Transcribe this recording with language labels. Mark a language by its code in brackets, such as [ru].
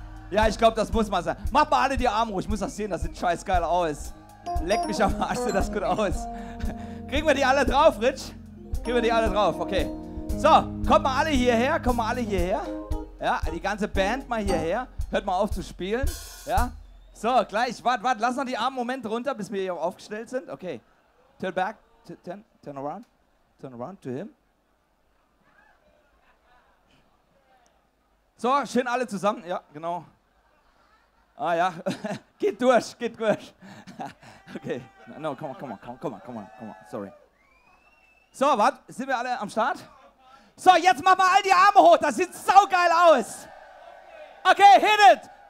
[de] Ja, ich glaube, das muss mal sein. Macht mal alle die Arme hoch. Ich muss das sehen, das sieht scheißgeil aus. Leck mich am Arsch, sieht das gut aus. Kriegen wir die alle drauf, Rich? Gib mir die alle drauf, okay. So, kommt mal alle hierher, kommt mal alle hierher. Ja, die ganze Band mal hierher. Hört mal auf zu spielen, ja. So, gleich, warte, lass noch die Arme einen Moment runter, bis wir hier aufgestellt sind. [en] Okay, turn back, turn around to him. [de] So, schön alle zusammen, ja, genau. Ah ja, geht durch. [en] Okay, no, come on, sorry. [de] So, warte, sind wir alle am Start? So, jetzt machen wir all die Arme hoch, das sieht saugeil aus. [en] Okay, hit it.